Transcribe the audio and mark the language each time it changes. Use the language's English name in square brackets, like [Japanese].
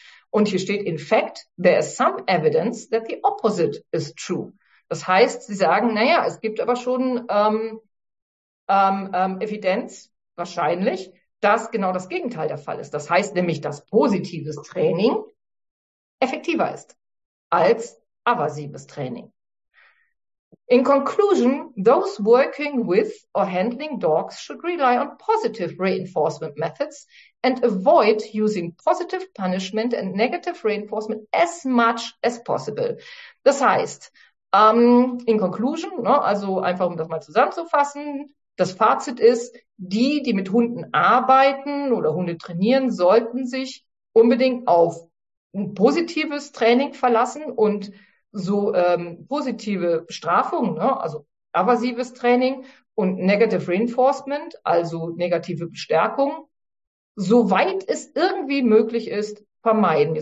[German] Und hier steht, [English] in fact, there is some evidence that the opposite is true. [German] Das heißt, sie sagen, naja, es gibt aber schon Evidenz wahrscheinlich, dass genau das Gegenteil der Fall ist. Das heißt nämlich, dass positives Training effektiver ist als aversives Training. [English] In conclusion, those working with or handling dogs should rely on positive reinforcement methods and avoid using positive punishment and negative reinforcement as much as possible. [German] Das heißt, [English] in conclusion, [German] ne, also einfach um das mal zusammenzufassen, das Fazit ist, die, die mit Hunden arbeiten oder Hunde trainieren, sollten sich unbedingt auf ein positives Training verlassen und so positive Strafung, ne, also aversives Training und negative Reinforcement, also negative Bestärkung, soweit es irgendwie möglich ist, vermeiden.